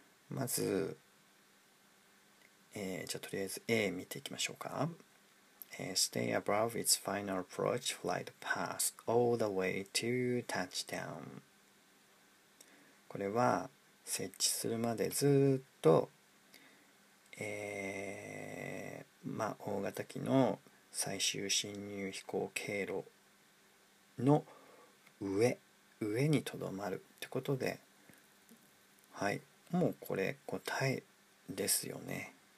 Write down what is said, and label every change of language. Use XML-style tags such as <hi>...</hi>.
<ja>まずじゃあとりあえず A 見ていきましょうか。</ja> <en>Stay above its final approach flight path all the way to touchdown。</en> <ja>これは設置するまでずっと、大型機の最終進入飛行経路の上にとどまるってことで、はい、もうこれ答えですよね。</ja>